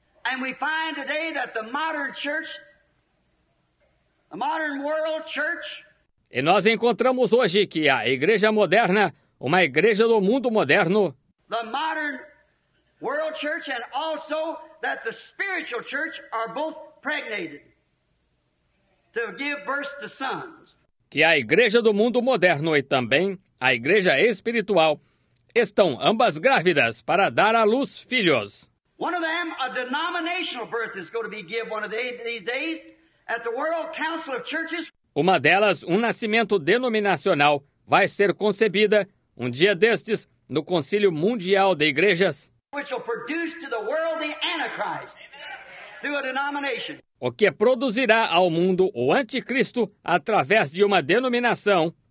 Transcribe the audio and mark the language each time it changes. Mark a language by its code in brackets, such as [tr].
[en] And we find today that the modern church, the modern world church, [pt] e nós encontramos hoje que a igreja moderna, uma igreja do mundo moderno, [en] the modern world church and also that the spiritual church are both pregnated to give birth to sons. [pt] Que a igreja do mundo moderno e também a igreja espiritual estão ambas grávidas para dar à luz filhos. [en] One of them, a denominational birth is going to be given one of these days at the World Council of Churches. [pt] Uma delas, um nascimento denominacional, vai ser concebida um dia destes no Concílio Mundial de Igrejas. [en] Which will produce to the world the Antichrist through a denomination. [pt] O que produzirá ao mundo o anticristo através de uma denominação.